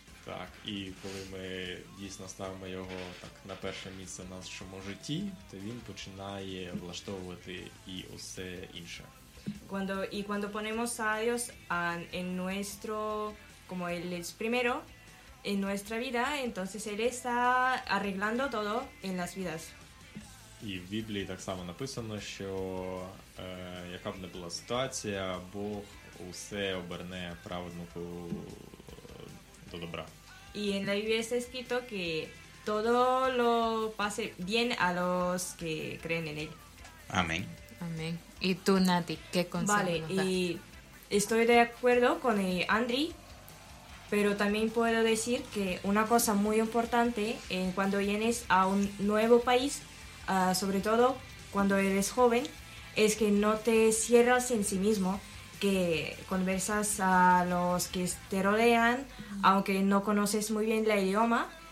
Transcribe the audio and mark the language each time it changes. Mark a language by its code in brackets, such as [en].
[uk] Так, і коли ми дійсно ставимо його так на перше місце в нашому житті, то він починає влаштовувати і усе інше. [es] Cuando ponemos a Dios en nuestro, como Él es primero, en nuestra vida, entonces Él está arreglando todo en las vidas. Y [uk] в Біблії так само написано, що яка б не була ситуація, Бог усе оберне праведнику до добра. [es] Y en la Biblia está escrito que todo lo pase bien a los que creen en Él. Amén. Amén. ¿Y tú, Nati, qué consejo? Vale, y estoy de acuerdo con Andri, pero también puedo decir que una cosa muy importante cuando vienes a un nuevo país, sobre todo cuando eres joven, es que no te cierras en sí mismo, que conversas a los que te rodean, aunque no conoces muy bien el idioma,